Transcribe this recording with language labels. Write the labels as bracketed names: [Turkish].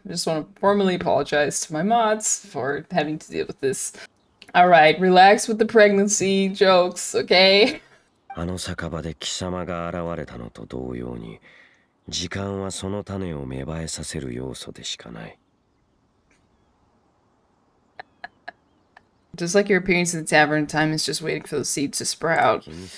[English] I just want to formally apologize to my mods for having to deal with this. Alright, relax with the pregnancy jokes, okay? [Japanese] あの酒場で貴様が現れたのと同様に 時間はその種を芽生えさせる要素でしかない。 [English] Just like your appearance in the tavern, time is just waiting for those seeds to sprout.